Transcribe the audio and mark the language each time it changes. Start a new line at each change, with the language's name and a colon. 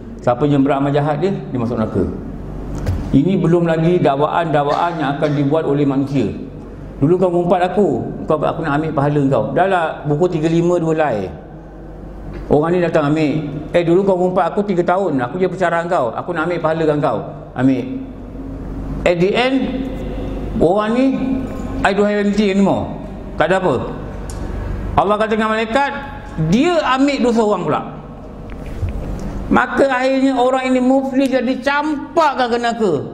Malay: Siapa yang berat amal jahat dia, dia masuk neraka. Ini belum lagi dakwaan-dakwaan yang akan dibuat oleh manusia. Dulu kau mengumpat aku, aku nak ambil pahala kau. Dah lah buku 35 2 lay. Orang ni datang ambil. Dulu kau mengumpat aku 3 tahun, aku je bercara kau. Aku nak ambil pahala kau. Ambil.
English: At the end,
Malay: orang ni,
English: I don't have anything anymore.
Malay: Tak ada apa. Allah kata dengan malaikat, dia ambil dosa orang pula. Maka akhirnya orang ini muflis, dia dicampakkan ke neraka.